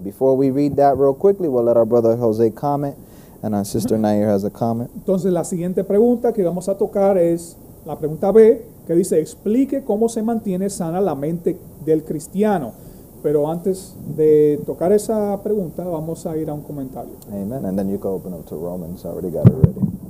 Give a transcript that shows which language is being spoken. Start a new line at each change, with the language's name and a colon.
English: Before we read that real quickly, we'll let our brother Jose comment, and our sister Nair has a comment.
Spanish: Entonces, la siguiente pregunta que vamos a tocar es la pregunta B, que dice, explique cómo se mantiene sana la mente del cristiano. Pero antes de tocar esa pregunta, vamos a ir a un comentario.
English: Amen. And then you can open up to Romans. I already got it ready.